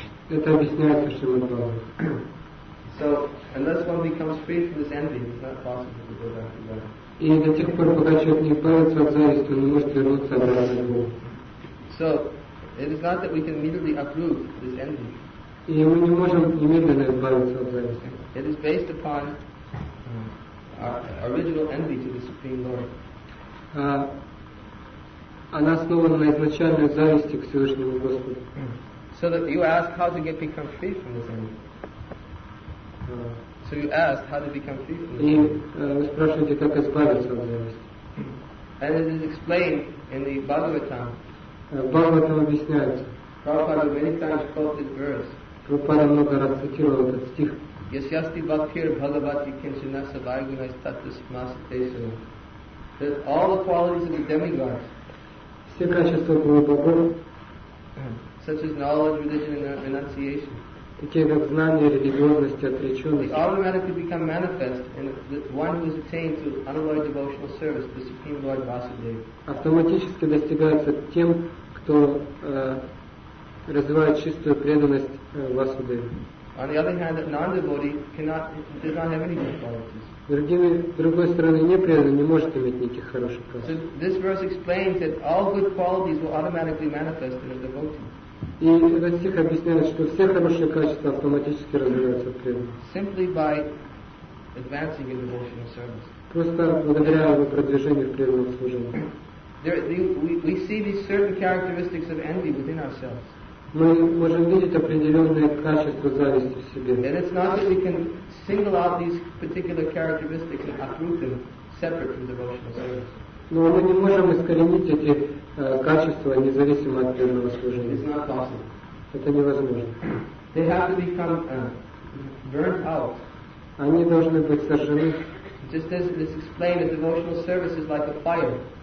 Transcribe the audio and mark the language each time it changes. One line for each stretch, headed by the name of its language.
Russian: Это объясняет Шримад Бхагаватам.
English: So, unless one becomes free from this envy, it's not possible to go back to God.
Russian: И до тех пор, пока человек не избавится от зависти, он не может вернуться обратно к Богу.
English: So, it is not that we can immediately uproot this envy.
Russian: И мы не можем немедленно избавиться от зависти.
English: It is based upon our original envy to the Supreme Lord.
Russian: Она основана на изначальной зависти к Всевышнему Господу.
English: So that you ask how to get become free from this envy. So you ask how to become free from this.
Russian: И вы спрашиваете, как избавиться от зависти.
English: And it is explained in the Bhagavatam.
Russian: Bhagavatam объясняется.
English: Prabhupada many times quote this verse.
Russian: Prabhupada много раз цитировал этот стих.
Sanskrit: Yasyasti bhaktir bhagavati kinshinasa vaigunais tatus masatesu.
English: That all the qualities of the demigods.
Russian: Все качества Гуру Богов,
English: such as knowledge, religion, and renunciation,
Russian: такие как знание, религиозность, отреченность,
English: automatically become manifest in the one who has attained to unalloyed devotional service to the Supreme Lord Vasudeva.
Russian: Автоматически достигается тем, кто развивает чистую преданность Васудеве.
English: On the other hand, that non-devotee cannot, does not have any good qualities.
Russian: Другой стороны, непреданный не может иметь никаких хороших качеств.
English: So this verse explains that all good qualities will automatically manifest in a devotee.
Russian: И этот стих объясняет, что все хорошие качества автоматически развиваются в преданном.
English: Simply by advancing in devotional service.
Russian: Просто благодаря его продвижению в преданном служении.
English: We see these certain characteristics of envy within ourselves.
Russian: Мы можем видеть определенные качества зависти в себе.
English: And it's not that we can single out these particular characteristics and uproot them separate from devotional service.
Russian: Но мы не можем искоренить эти качества независимо от преданного служения.
English: It's not possible.
Russian: Это невозможно.
English: They have to become burnt out.
Russian: Они должны быть сожжены.
English: Just as this explained, a devotional service is like a fire.